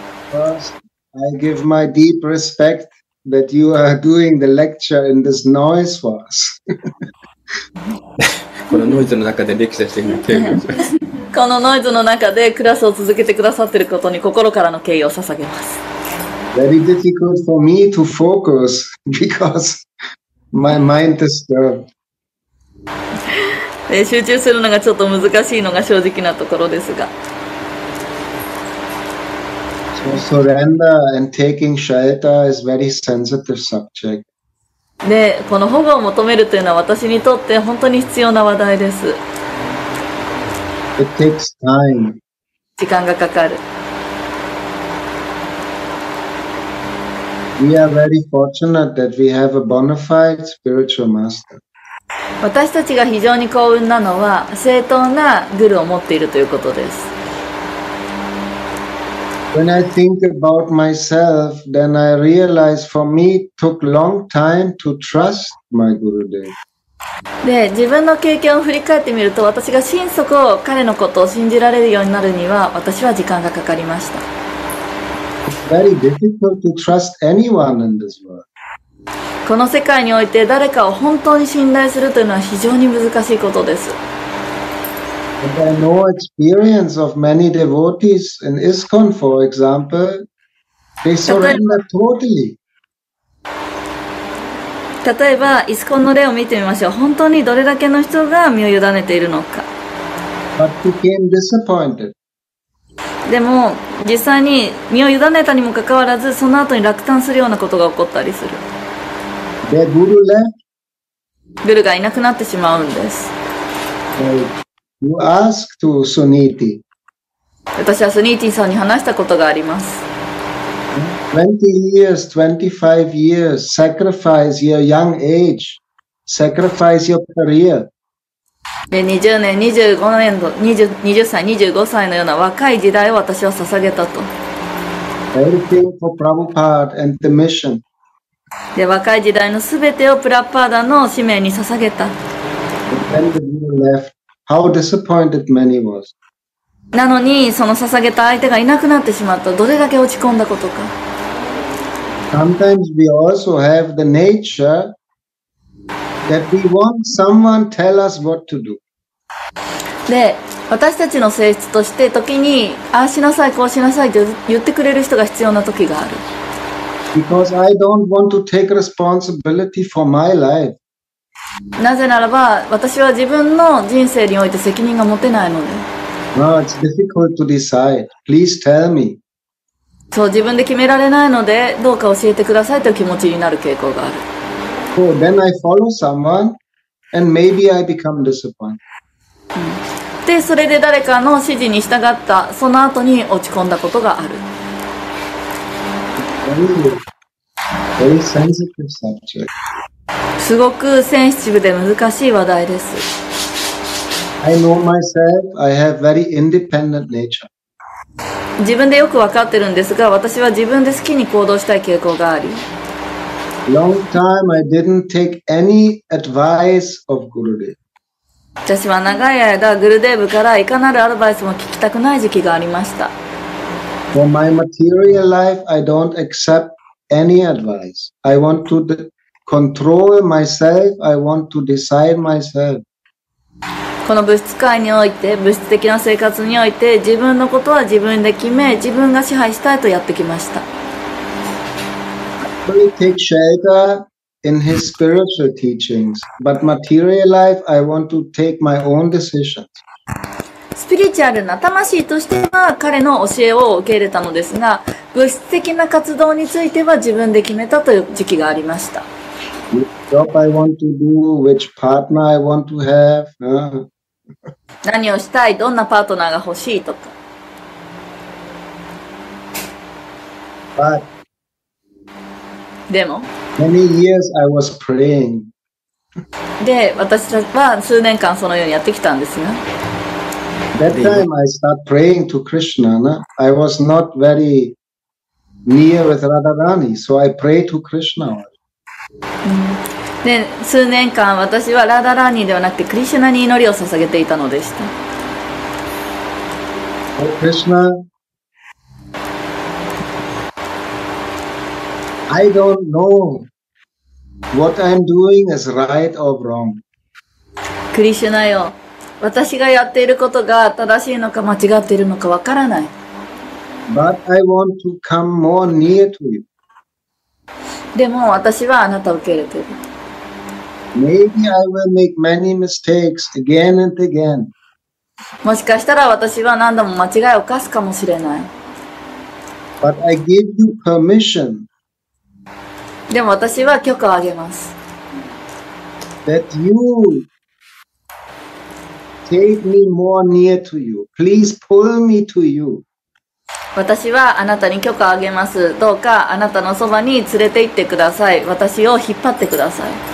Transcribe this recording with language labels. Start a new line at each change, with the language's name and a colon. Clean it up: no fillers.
English: First, I give my deep respect that you are doing the lecture in this noise for us.
Japanese: このノイズの中でレクチャーしてみて。このノイズの中でクラスを続けてくださっていることに心からの敬意を捧げます。
English: Very difficult for me to focus because my mind is disturbed.
Japanese: 集中するのがちょっと難しいのが正直なところですが。
English: So surrender and taking shelter is very sensitive subject.
Japanese: で、この保護を求めるというのは私にとって本当に必要な話題です。
English: It takes time.
Japanese: 時間がかかる。
English: We are very fortunate that we have a bona fide spiritual master.
Japanese: 私たちが非常に幸運なのは、正当なグルを持っているということです。
English: When I think about myself, then I realize for me it took long time to trust my Gurudev.
Japanese: で自分の経験を振り返ってみると私が心底彼のことを信じられるようになるには私は時間がかかりました。
English: It's very difficult to trust anyone in this world.
Japanese: この世界において誰かを本当に信頼するというのは非常に難しいことです。
English: But I know experience of many devotees in ISKCON, for example, they surrender totally.
Japanese: 例えばイスコンの例を見てみましょう。本当にどれだけの人が身を委ねているのか。
English: But became disappointed.
Japanese: でも実際に身を委ねたにもかかわらずその後に落胆するようなことが起こったりする。
English: The guru left.
Japanese: グルがいなくなってしまうんです。
English: You ask to Suniti.
Japanese: 私はスニーティさんに話したことがあります。
English: 20 years, 25 years, sacrifice your young age, sacrifice your career.
Japanese: 20年、25年、20歳、25歳のような若い時代を私は捧げたと。
English: Everything for Prabhupada and the mission.
Japanese: で、若い時代のすべてをプラッパーダの使命に捧げた。
English: When the guru left, how disappointed many was.
Japanese: なのに、その捧げた相手がいなくなってしまった。どれだけ落ち込んだことか。
English: Sometimes we also have the nature that we want someone tell us what to do.
Japanese: で、私たちの性質として時にああしなさい、こうしなさいと言ってくれる人が必要な時がある。
English: Because I don't want to take responsibility for my life.
Japanese: なぜならば私は自分の人生において責任が持てないので。
English: No, it's difficult to decide. Please tell me.
Japanese: そう、自分で決められないのでどうか教えてくださいという気持ちになる傾向がある。
English: So then I follow someone and maybe I become disappointed.
Japanese: で、それで誰かの指示に従った、その後に落ち込んだことがある。
English: Very, very sensitive subject.
Japanese: すごくセンシティブで難しい話題です。
English: I know myself, I have very independent nature.
Japanese: 自分でよく分かってるんですが、私は自分で好きに行動したい傾向があり。
English: Long time I didn't take any advice of Gurudev.
Japanese: 私は長い間、グルデーブからいかなるアドバイスも聞きたくない時期がありました。
English: For my material life, I don't accept any advice. I want to control myself. I want to decide myself.
Japanese: この物質界において、物質的な生活において、自分のことは自分で決め、自分が支配したいとやってきました。
English: I really take shelter in his spiritual teachings, but material life, I want to take my own decisions.
Japanese: スピリチュアルな魂としては彼の教えを受け入れたのですが、物質的な活動については自分で決めたという時期がありました。
English: Which job I want to do, which partner I want to have.
Japanese: 何をしたい、どんなパートナーが欲しいとか。
English: But,
Japanese: でも、
English: many years I was praying.
Japanese: で、私は数年間そのようにやってきたんですが。
English: That time I start praying to Krishna.、No? I was not very near with Radharani, so I pray to Krishna.
Japanese: で数年間私はラダラーニーではなくてクリシュナに祈りを捧げていたのでした。
English: おクリシュナ、I don't know what I'm doing is right or wrong.
Japanese: クリシュナよ、私がやっていることが正しいのか間違っているのかわからない。
English: But I want to come more near to you.
Japanese: でも私はあなたを受け入れている。
English: Maybe I will make many mistakes again and again.
Japanese: もしかしたら私は何度も間違いを犯すかもしれない。
English: But I give you permission.
Japanese: でも私は許可をあげます。
English: That you take me more near to you. Please pull me to you.
Japanese: 私はあなたに許可をあげます。どうかあなたのそばに連れて行ってください。私を引っ張ってください。